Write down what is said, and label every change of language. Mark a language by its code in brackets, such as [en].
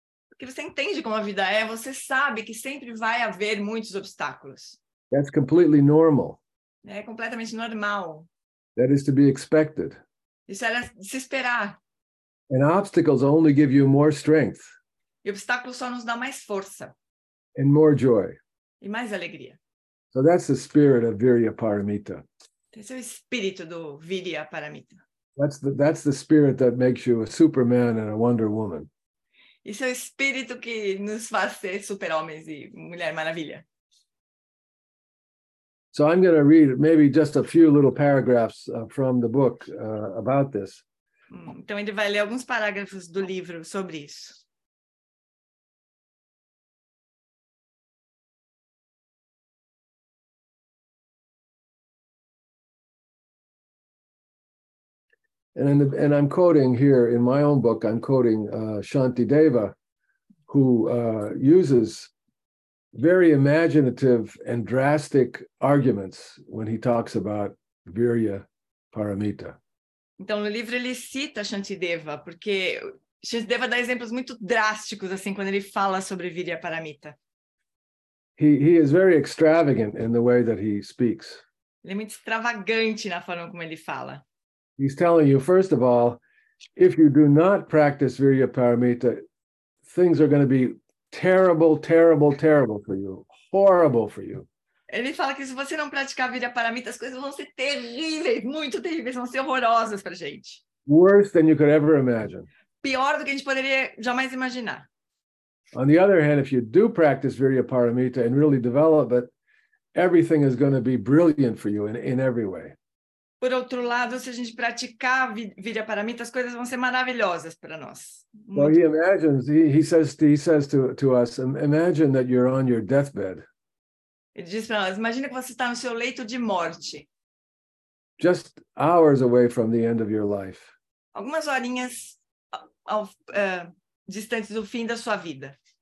[pt] Porque você entende como a vida é, você sabe que sempre vai haver muitos obstáculos. [en] That's completely normal. [pt] É completamente normal. [en] That is to be expected. [pt] Isso era de se esperar. [en] And obstacles only give you more strength. [pt] E obstáculos só nos dá mais força. [en] And more joy. [pt] E mais alegria. [en] So that's the spirit of Virya Paramita. [pt] Esse é o espírito do Virya Paramita. [en] That's the spirit that makes you a Superman and a Wonder Woman. [pt] Esse é o espírito que nos faz ser super-homens e Mulher Maravilha. [en] So I'm going to read maybe just a few little paragraphs from the book about this. [pt] Então ele vai ler alguns parágrafos do livro sobre isso. [en] And I'm quoting here in my own book, I'm quoting Shantideva, who uses very imaginative and drastic arguments when he talks about Virya Paramita. [pt] Então, no livro, ele cita Shantideva, porque Shantideva dá exemplos muito drásticos, assim, quando ele fala sobre Virya Paramita. [en] He is very extravagant in the way that he speaks. [pt] Ele é muito extravagante na forma como ele fala. [en] He's telling you, first of all, if you do not practice Virya Paramita, things are going to be terrible, terrible, terrible for you. Horrible for you. [pt] Ele fala que se você não praticar Virya Paramita, as coisas vão ser terríveis, muito terríveis, vão ser horrorosas para a gente. [en] Worse than you could ever imagine. [pt] Pior do que a gente poderia jamais imaginar. [en] On the other hand, if you do practice Virya Paramita and really develop it, everything is going to be brilliant for you in every way. [pt] Por outro lado, se a gente praticar Virya Paramita, as coisas vão ser maravilhosas para nós. Muito. [en] Well, he imagines, he says to us, imagine that you're on your deathbed. [pt] Ele diz para nós, imagina que você está no seu leito de morte. [en] Just hours away from the end of your life. [pt] Algumas horinhas distantes do fim da sua vida.